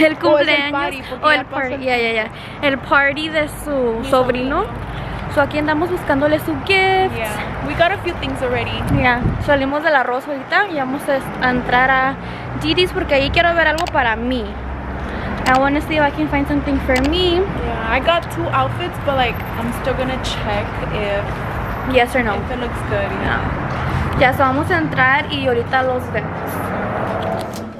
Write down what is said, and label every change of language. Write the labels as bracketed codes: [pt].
[es] El cumpleaños. O el party. O el party. Yeah, yeah, yeah. El party de su sobrino. So aquí andamos buscándole su gift. [en] Yeah, we got a few things already. [es] Yeah, salimos del arroz ahorita y vamos a entrar a Didi's porque ahí quiero ver algo para mí. [en] I want to see if I can find something for me. Yeah, I got two outfits, but like, I'm still gonna check if... Yes or no. If it looks good, yeah. [es] Yeah, so vamos a entrar y ahorita los vemos.